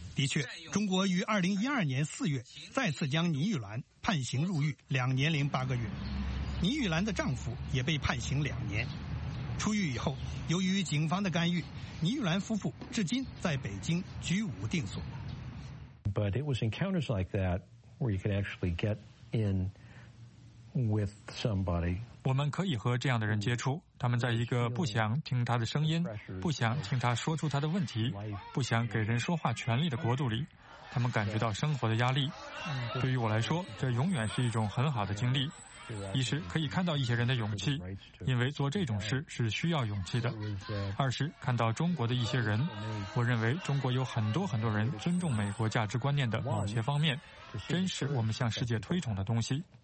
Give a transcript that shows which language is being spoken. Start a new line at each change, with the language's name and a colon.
Chinese: 的确，中国于2012年4月再次将倪玉兰判刑入狱2年0.8个月。倪玉兰的丈夫也被判刑两年。出狱以后，由于警方的干预，倪玉兰夫妇至今在北京居无定所。
English: But it was encounters like that where you could actually get in with somebody.
Chinese: 我们可以和这样的人接触，他们在一个不想听他的声音、不想听他说出他的问题、不想给人说话权利的国度里，他们感觉到生活的压力。对于我来说，这永远是一种很好的经历。一是可以看到一些人的勇气，因为做这种事是需要勇气的；二是看到中国的一些人，我认为中国有很多很多人尊重美国价值观念的某些方面，真是我们向世界推崇的东西。